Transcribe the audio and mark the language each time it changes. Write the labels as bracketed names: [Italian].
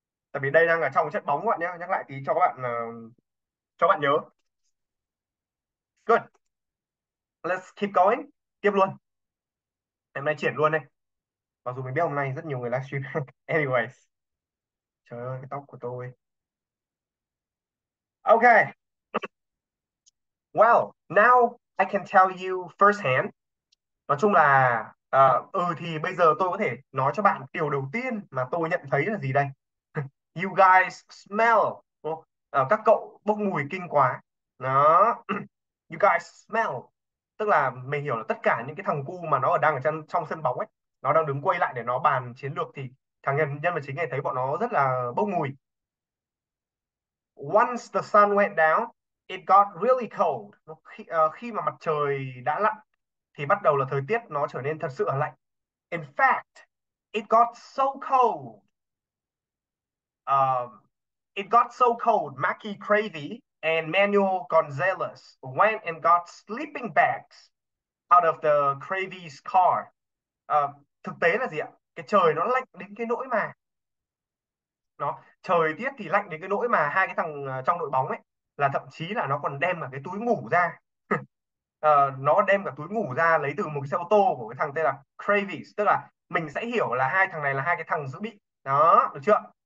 [Vietnamese] Tại vì đây đang ở trong trận bóng các bạn nhé, nhắc lại tí cho các bạn cho bạn nhớ. [English] Good, let's keep going, [Vietnamese] tiếp luôn. Em nay chuyển luôn đây, mặc dù mình biết hôm nay rất nhiều người livestream. Anyways, trời ơi cái tóc của tôi. [English] Okay, well now I can tell you firsthand. [Vietnamese] Nói chung là thì bây giờ tôi có thể nói cho bạn điều đầu tiên mà tôi nhận thấy là gì đây. [English] You guys smell, [Vietnamese] các cậu bốc mùi kinh quá đó. [English] You guys smell, [Vietnamese] tức là mình hiểu là tất cả những cái thằng cu mà nó ở đang ở trong trong sân bóng ấy, nó đang đứng quay lại để nó bàn chiến lược, thì thằng nhân vật chính này thấy bọn nó rất là bốc mùi. [English] Once the sun went down, it got really cold. [Vietnamese] Khi mà mặt trời đã lặn thì bắt đầu là thời tiết nó trở nên thật sự là lạnh. [English] In fact, it got so cold. It got so cold, Mackie Cravey and Manuel Gonzalez went and got sleeping bags out of the Cravey's car. [Vietnamese] Thực tế là gì ạ? Cái trời nó lạnh đến cái nỗi mà nó trời tiết thì lạnh đến cái nỗi mà hai cái thằng trong đội bóng ấy là thậm chí là nó còn đem cả cái túi ngủ ra. Nó đem cả túi ngủ ra lấy từ một cái xe ô tô của cái thằng tên là Cravey, tức là mình sẽ hiểu là hai thằng này là hai cái thằng dự bị đó, được chưa?